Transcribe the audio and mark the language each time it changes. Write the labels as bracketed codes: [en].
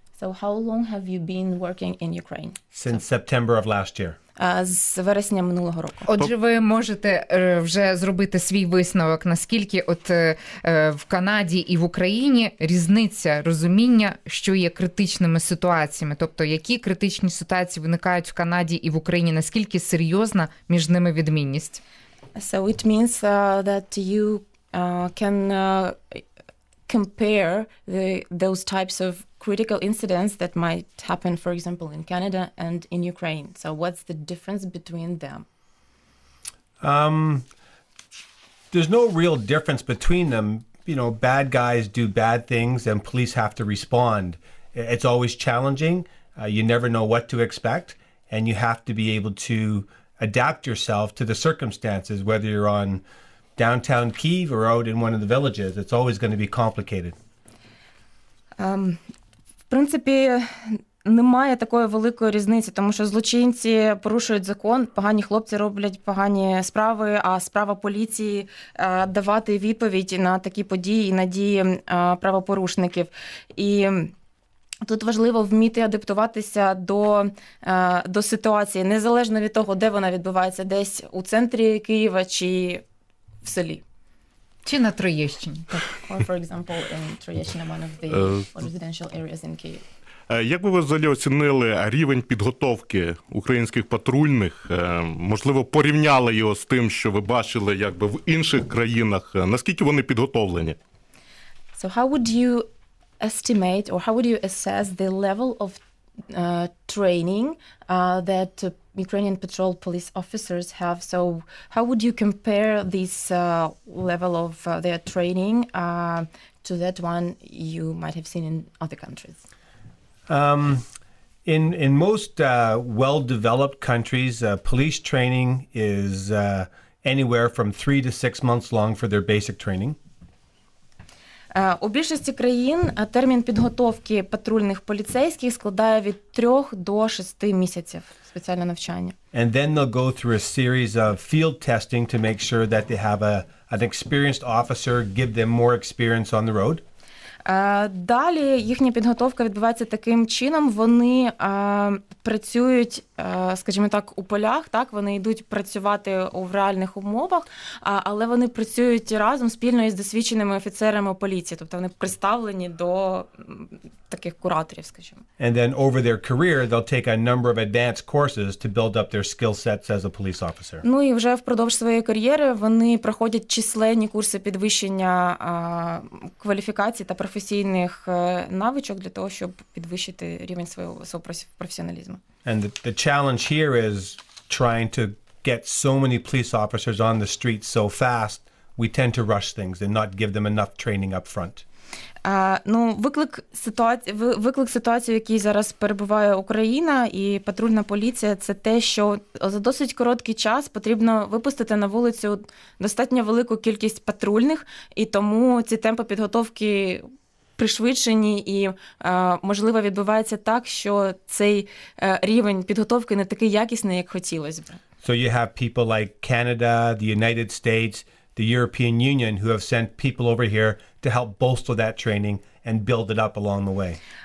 [en] So how long have you been working in Ukraine? Since September of last year. [uk] З вересня минулого року. Отже, ви можете вже зробити свій висновок, наскільки от в Канаді і в Україні різниця розуміння, що є критичними ситуаціями. Тобто, які критичні ситуації виникають в Канаді і в Україні, наскільки серйозна між ними відмінність? [en] So it means that you can compare those types of critical incidents that might happen, for example, in Canada and in Ukraine. So what's the difference between them? There's no real difference between them. You know, bad guys do bad things and police have to respond. It's always challenging. You never know what to expect, and you have to be able to adapt yourself to the circumstances, whether you're on downtown Kyiv or out in one of the villages. It's always going to be complicated. [uk] В принципі, немає такої великої різниці, тому що злочинці порушують закон, погані хлопці роблять погані справи, а справа поліції давати відповідь на такі події і надії правопорушників. І тут важливо вміти адаптуватися до ситуації, незалежно від того, де вона відбувається, десь у центрі Києва чи в селі. Чи на Троєщині. [en] Or, for example, in Троєщина, one of the residential areas in Kyiv. [uk] Як би ви взагалі оцінили рівень підготовки українських патрульних? Можливо, порівняли його з тим, що ви бачили якби в інших країнах? Наскільки вони підготовлені? [en] So how would you estimate or how would you assess the level of training that Ukrainian patrol police officers have? So how would you compare this level of their training to that one you might have seen in other countries? In most well-developed countries, police training is anywhere from 3 to 6 months long for their basic training. [uk] У більшості країн термін підготовки патрульних поліцейських складає від 3 до 6 місяців спеціальне навчання. [en] And then they'll go through a series of field testing to make sure that they have an experienced officer give them more experience on the road. [uk] Далі їхня підготовка відбувається таким чином. Вони працюють, скажімо так, у полях, так? Вони йдуть працювати в реальних умовах, але вони працюють разом спільно із досвідченими офіцерами поліції. Тобто вони представлені до таких кураторів, скажімо. [en] And then over their career, they'll take a number of advanced courses to build up their skill sets as a police officer. [uk] Ну і вже впродовж своєї кар'єри вони проходять численні курси підвищення кваліфікації та професійних навичок для того, щоб підвищити рівень свого професіоналізму. [en] And the challenge here is trying to get so many police officers on the street so fast, we tend to rush things and not give them enough training up front. [uk] Ну, виклик ситуації, в якій зараз перебуває Україна і патрульна поліція, це те, що за досить короткий час потрібно випустити на вулицю достатньо велику кількість патрульних, і тому ці темпи підготовки пришвидшені і, можливо, відбувається так, що цей рівень підготовки не такий якісний, як хотілося б. [en] So you have people like Canada, the United States, the European Union, who have sent people over here to help bolster that training and build it up along the way.